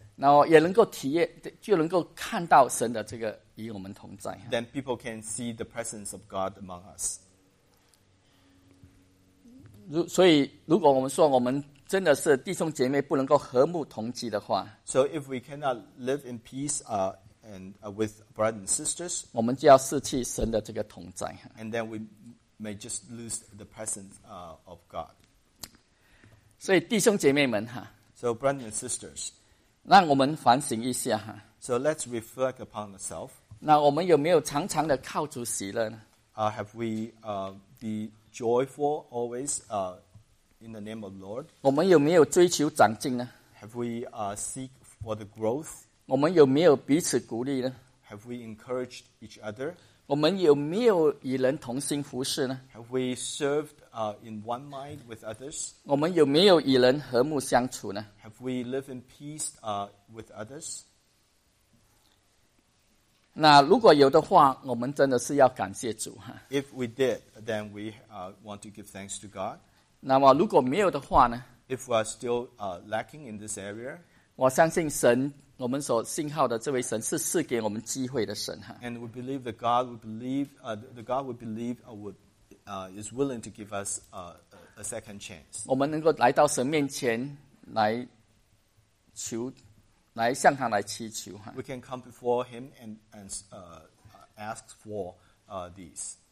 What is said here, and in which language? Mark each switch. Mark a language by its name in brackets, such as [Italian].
[Chinese] 那也能够体验，就能够看到神的这个与我们同在。 [English] Then people can see the presence of God among us. [Chinese] 所以，如果我们说我们真的是弟兄姐妹不能够和睦同居的话 [English] ，So if we cannot live in peace and with brothers and sisters， [Chinese] 我们就要失去神的这个同在。 [English] And then we may just lose the presence of God。 [Chinese] 所以弟兄姐妹们哈 [English] ，So brothers and sisters， [Chinese] 让我们反省一下哈 [English] ，So let's reflect upon ourselves。 [Chinese] 那我们有没有常常的靠主喜乐呢 [English] ？Have we be joyful always？ In the name of the Lord, [Chinese] 我们有没有追求长进呢 [English] ？Have we seek for the growth？ [Chinese] 我们有没有彼此鼓励呢 [English] ？Have we encouraged each other？ [Chinese] 我们有没有与人同心服事呢 [English] ？Have we served in one mind with others？ [Chinese] 我们有没有与人和睦相处呢 [English] ？Have we lived in peace with others？ [Chinese] 那如果有的话，我们真的是要感谢主哈。 [English] If we did, then we want to give thanks to God. [Chinese] 那么如果没有的话呢 [English] ？If we are still lacking in this area， [Chinese] 我相信神，我们所信号的这位神是赐给我们机会的神哈。 [English] And we believe that God would believe, the God we believe would, is willing to give us a second chance。 [Chinese] 我们能够来到神面前来求，来向他来祈求哈。 [English] We can come before Him and ask for these。